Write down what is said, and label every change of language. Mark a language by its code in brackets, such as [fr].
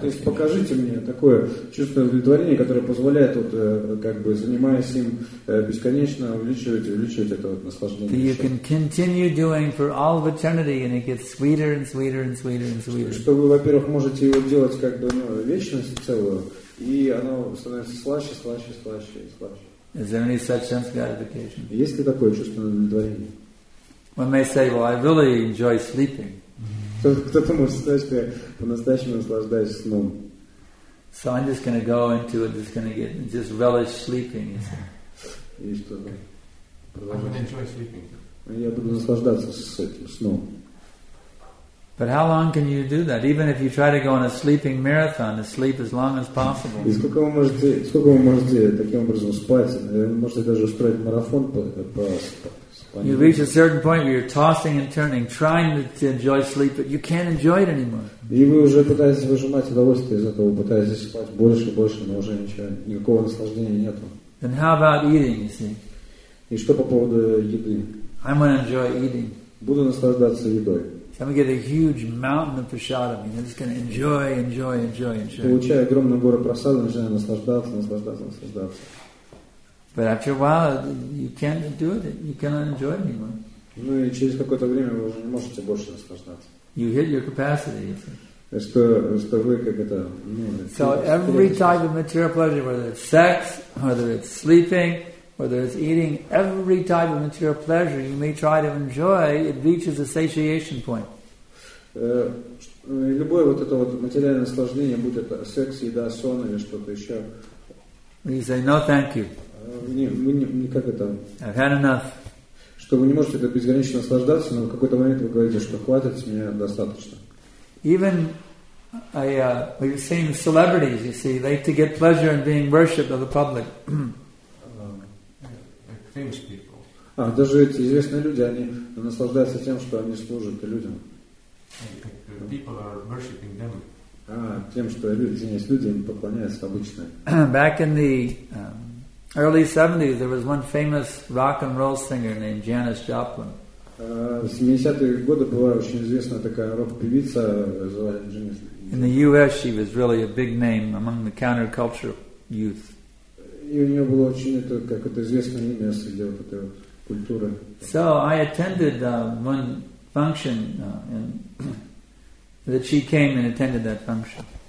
[ru] То есть покажите мне такое чувственное удовлетворение, которое позволяет вот как бы занимаясь им бесконечно увеличивать это вот наслаждение. [en] That you can continue doing for all of eternity, and it gets sweeter and sweeter and sweeter and sweeter. [ru] Что вы, во-первых, можете его делать как бы вечность целую, и оно становится слаще, слаще, слаще, слаще. [en] Is there any such sense gratification? [ru] Есть ли такое чувственное удовлетворение? [en] One may say, "Well, I really enjoy sleeping." [ru] Кто-то может сказать, что я по-настоящему наслаждаюсь сном. [en] So I'm just gonna go into it, just gonna get just relish sleeping. [ru] И что? [en] I would enjoy sleeping. [ru] Я буду наслаждаться с этим сном. [en] But how long can you do that? Even if you try to go on a sleeping marathon, to sleep as long as possible. [ru] И сколько вы можете таким образом спать? Можете даже устроить марафон по спать. [en] You reach a certain point where you're tossing and turning, trying to enjoy sleep, but you can't enjoy it anymore. [ru] И вы уже пытаетесь выжимать удовольствие из этого, пытаетесь спать больше и больше, но уже никакого наслаждения нету. [en] And how about eating, you see? [ru] И что по поводу еды? [en] I'm going to enjoy eating. [ru] Буду наслаждаться едой. [en] So I'm going to get a huge mountain of prasadam. I'm just going to enjoy, enjoy, enjoy, enjoy. [ru] Получая огромную гору просады, начинаю наслаждаться, наслаждаться, наслаждаться. [en] But after a while, you can't do it. You cannot enjoy it anymore. [ru] Ну и через какое-то время вы уже не можете больше наслаждаться. [en] You hit your capacity. [ru] Что вы как это, ну, [en] so every type of material pleasure, whether it's sex, whether it's sleeping, whether it's eating, every type of material pleasure you may try to enjoy, it reaches a satiation point. [ru] Любое вот это вот материальное наслаждение, будь это секс, еда, сон или что-то еще. [en] You say no, thank you. [ru] Не как это. [en] I've had enough. [ru] Что вы не можете так безгранично наслаждаться, но в какой-то момент вы говорите, что хватит, с меня достаточно. [en] Even we've seen celebrities, you see, they to get pleasure in being worshipped of the public. Famous people. [ru] А даже эти известные люди, они наслаждаются тем, что они служат людям. [en] People are worshipping them. [ru] А тем, что люди им поклоняются обычно. [en] Back in the early 70s, there was one famous rock and roll singer named Janis Joplin. [ru] В 70-е годы была очень известна такая рок-певица, звали Джанис. [en] In the US she was really a big name among the counterculture youth. [ru] И у нее было очень это как это известное имя среди вот этой культуры. [en] So I attended one function and that she came and attended that function.